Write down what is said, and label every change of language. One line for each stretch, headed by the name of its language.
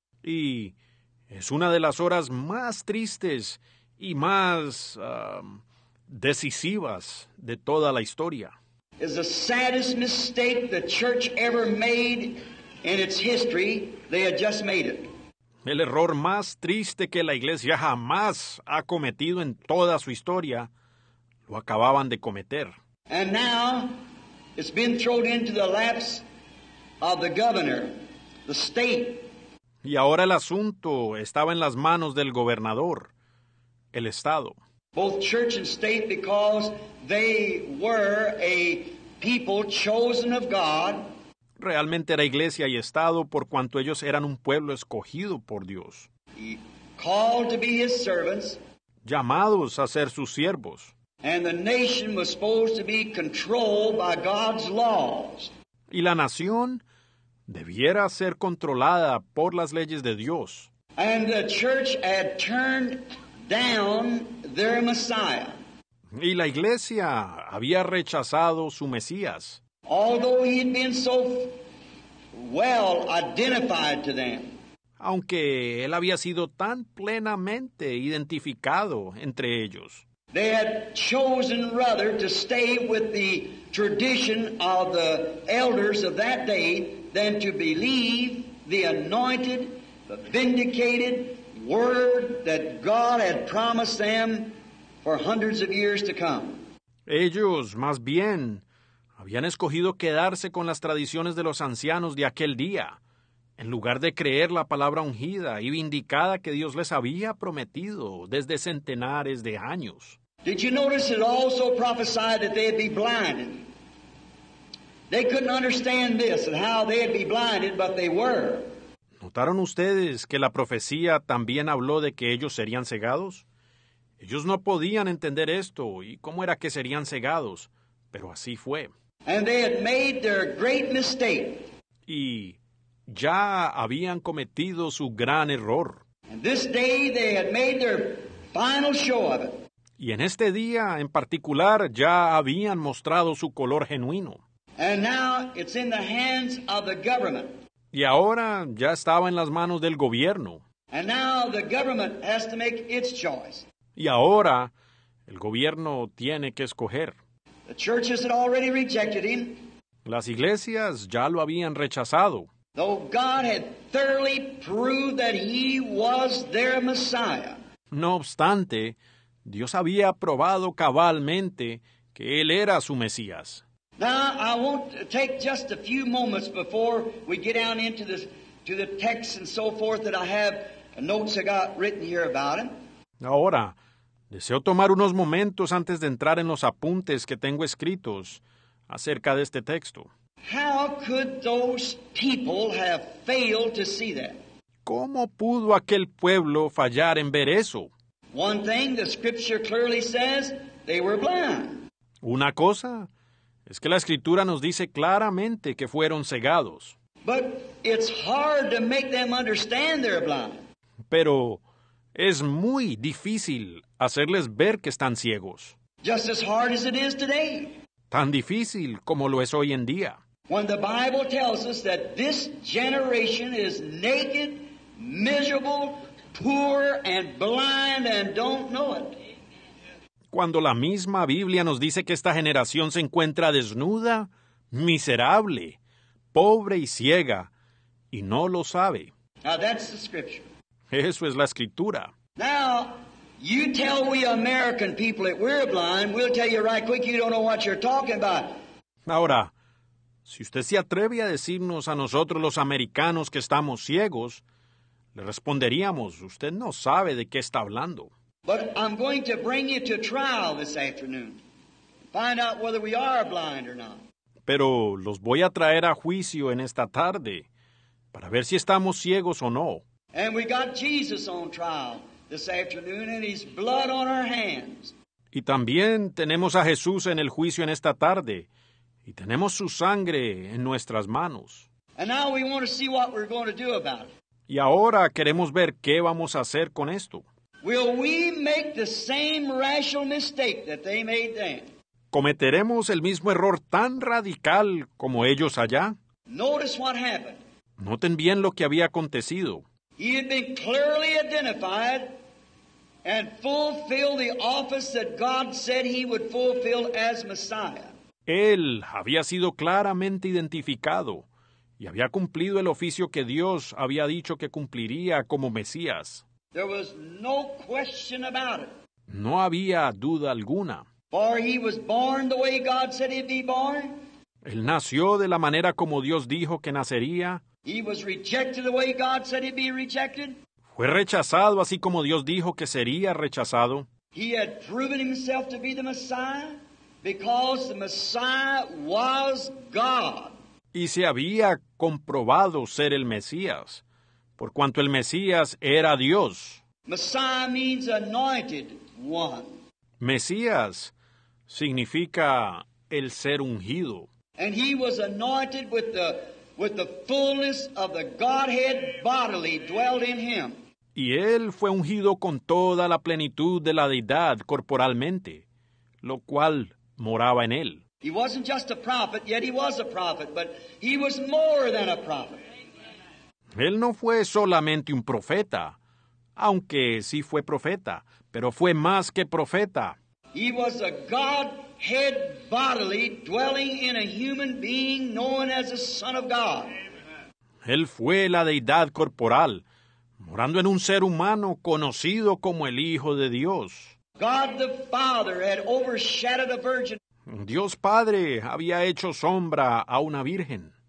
Spanish: Y es una de las horas más tristes y más decisivas de toda la historia.
English: Is the saddest mistake the church ever made in its history. They had just made it.
Spanish: El error más triste que la iglesia jamás ha cometido en toda su historia lo acababan de cometer.
English: And now it's been thrown into the laps of the governor, the state.
Spanish: Y ahora el asunto estaba en las manos del gobernador, el estado.
English: Both church and state, because they were a people chosen of God.
Spanish: Realmente era iglesia y estado por cuanto ellos eran un pueblo escogido por Dios.
English: He called to be his servants.
Spanish: Llamados a ser sus siervos.
English: And the nation was supposed to be controlled by God's laws.
Spanish: Y la nación debiera ser controlada por las leyes de Dios.
English: And the church had turned down their Messiah.
Spanish: Y la iglesia había rechazado su Mesías.
English: Although he had been so well identified to them.
Spanish: Aunque él había sido tan plenamente identificado entre ellos.
English: They had chosen rather to stay with the tradition of the elders of that day than to believe the anointed, the vindicated word that God had promised them for hundreds of years to come.
Spanish: Ellos, más bien, habían escogido quedarse con las tradiciones de los ancianos de aquel día, en lugar de creer la palabra ungida y vindicada que Dios les había prometido desde centenares de años.
English: Did you notice it also prophesied that they'd be blinded? They couldn't understand this and how they'd be blinded, but they were.
Spanish: ¿Notaron ustedes que la profecía también habló de que ellos serían cegados? Ellos no podían entender esto y cómo era que serían cegados, pero así fue.
English: And they had made their great mistake.
Spanish: Y ya habían cometido su gran error.
English: And this day they had made their final show of it.
Spanish: Y en este día en particular ya habían mostrado su color genuino.
English: And now it's in the hands of the government.
Spanish: Y ahora ya estaba en las manos del gobierno.
English: And now the government has to make its choice.
Spanish: Y ahora el gobierno tiene que escoger.
English: The churches had already rejected him.
Spanish: Las iglesias ya lo habían rechazado.
English: Though God had thoroughly proved that he was their Messiah.
Spanish: No obstante, Dios había probado cabalmente que él era su Mesías.
English: Now, I want to take just a few moments before we get down into this, to the text and so forth that I have notes I got written here about him.
Spanish: Ahora, deseo tomar unos momentos antes de entrar en los apuntes que tengo escritos acerca de este texto.
English: How could those people have failed to see that?
Spanish: ¿Cómo pudo aquel pueblo fallar en ver eso?
English: One thing, the scripture clearly says, they were blind.
Spanish: Una cosa, es que la escritura nos dice claramente que fueron cegados.
English: But it's hard to make them understand they're blind.
Spanish: Pero es muy difícil hacerles ver que están ciegos.
English: Just as hard as it is today.
Spanish: Tan difícil como lo es hoy en día.
English: When the Bible tells us that this generation is naked, miserable, poor and blind and don't know it.
Spanish: Cuando la misma Biblia nos dice que esta generación se encuentra desnuda, miserable, pobre y ciega, y no lo sabe.
English: Now that's the scripture.
Spanish: Eso es la escritura.
English: Now, you tell we American people that we're blind, we'll tell you right quick you don't know what you're talking about.
Spanish: Ahora, si usted se atreve a decirnos a nosotros los americanos que estamos ciegos, le responderíamos, usted no sabe de qué está hablando.
English: But I'm going to bring you to trial this afternoon. Find out whether we are blind or not.
Spanish: Pero los voy a traer a juicio en esta tarde para ver si estamos ciegos o no.
English: And we got Jesus on trial this afternoon and his blood on our hands.
Spanish: Y también tenemos a Jesús en el juicio en esta tarde y tenemos su sangre en nuestras manos.
English: And now we want to see what we're going to do about it.
Spanish: Y ahora queremos ver qué vamos a hacer con esto.
English: Will we make the same rational mistake that they made then?
Spanish: ¿Cometeremos el mismo error tan radical como ellos allá?
English: Notice what happened.
Spanish: Noten bien lo que había acontecido.
English: He had been clearly identified and fulfilled the office that God said he would fulfill as Messiah.
Spanish: Él había sido claramente identificado y había cumplido el oficio que Dios había dicho que cumpliría como Mesías.
English: There was no question about it.
Spanish: No había duda alguna.
English: For he was born the way God said he'd be born.
Spanish: Él nació de la manera como Dios dijo que nacería.
English: He was rejected the way God said he'd be rejected.
Spanish: Fue rechazado así como Dios dijo que sería rechazado.
English: He had proven himself to be the Messiah because the Messiah was God.
Spanish: Y se había comprobado ser el Mesías, por cuanto el Mesías era Dios.
English: Messiah means anointed one.
Spanish: Mesías significa el ser ungido.
English: And he was anointed with the fullness of the Godhead bodily dwelt in him.
Spanish: Y él fue ungido con toda la plenitud de la deidad corporalmente, lo cual moraba en él.
English: He wasn't just a prophet, yet he was a prophet, but he was more than a prophet.
Spanish: Él no fue solamente un profeta, aunque sí fue profeta, pero fue más que profeta.
English: He was a Godhead bodily dwelling in a human being known as the Son of God. Amen.
Spanish: Él fue la deidad corporal, morando en un ser humano conocido como el Hijo de Dios.
English: God the Father had overshadowed a virgin.
Spanish: Dios Padre había hecho sombra a una virgen.